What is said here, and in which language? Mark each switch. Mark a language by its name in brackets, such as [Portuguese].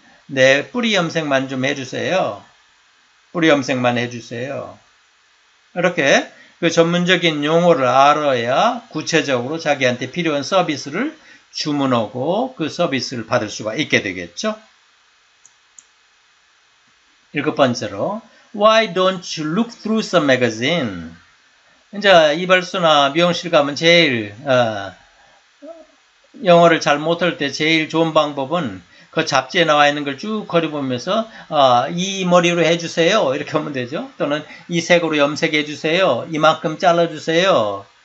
[Korean] 내 뿌리 염색만 좀 해주세요. 뿌리 염색만 해주세요. 이렇게 그 전문적인 용어를 알아야 구체적으로 자기한테 필요한 서비스를 주문하고 그 서비스를 받을 수가 있게 되겠죠. 일곱 번째로, [English] Why don't you look through some magazine? [Korean] 이제 이발소나 미용실 가면 제일 영어를 잘 못할 때 제일 좋은 방법은 그 잡지에 나와 있는 걸 쭉 거려보면서 이 머리로 해주세요. 이렇게 하면 되죠. 또는 이 색으로 염색해주세요. 이만큼 잘라주세요.